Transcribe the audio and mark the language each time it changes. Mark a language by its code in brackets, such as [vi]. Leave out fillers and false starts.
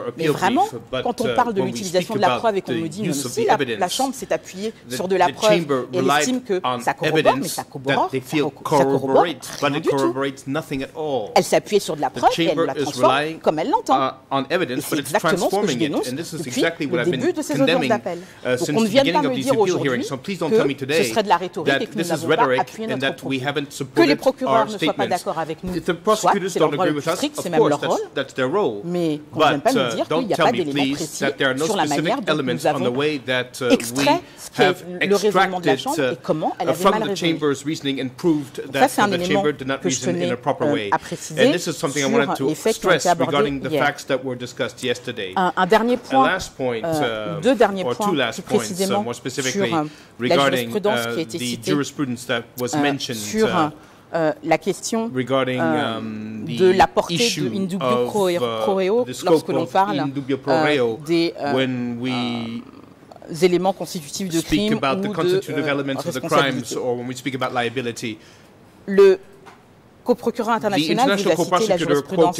[fr] Mais vraiment, quand on parle de l'utilisation de la preuve et qu'on nous dit que si la Chambre s'est appuyée sur de la preuve et elle estime que ça corrobore, mais ça corrobore rien du tout. Elle s'appuyait sur de la preuve et elle la transforme comme elle l'entend. [en] Evidence, [fr] et c'est exactement ce que je dénonce depuis le début de ces audiences d'appel. Donc on ne vient pas me dire aujourd'hui que ce serait de la rhétorique et que [en] this [fr] nous [en] is rhetoric, and that we haven't supported our statements. If the prosecutors don't agree with us, of course, that's their role. [fr] Mais [en] but don't tell me, please, that there are no specific elements on the way that we have extracted from the chamber's reasoning and proved that the chamber did not reason in a proper way. And this is something I wanted to stress regarding the facts that were discussed yesterday. A last point, or two last points, more specifically, regarding the jurisprudence that was mentioned [fr] sur la question [en] regarding, [fr] de la portée de in dubio pro reo lorsque l'on parle des éléments constitutifs de crime ou de responsabilité. Le coprocureur international vous a cité la jurisprudence